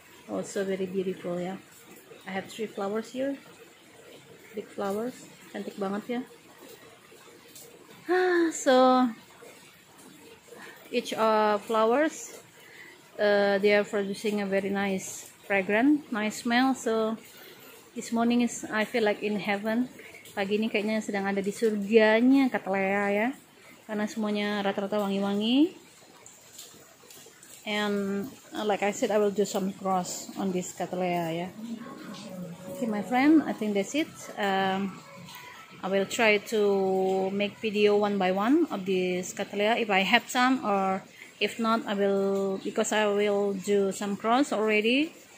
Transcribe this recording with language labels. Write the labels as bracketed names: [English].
[English] Also very beautiful ya. I have 3 flowers here. Big flowers. [Indonesian] Cantik banget ya. [English] So each flowers they are producing a very nice fragrant, nice smell. So this morning is I feel like in heaven. [Indonesian] Pagi ini kayaknya sedang ada di surganya Cattleya ya. Karena semuanya rata-rata wangi-wangi. [English] And like I said, I will do some cross on this Cattleya ya. Okay my friend, I think that's it. I will try to make video one by one of this Cattleya if I have some, or if not I will, because I will do some cross already.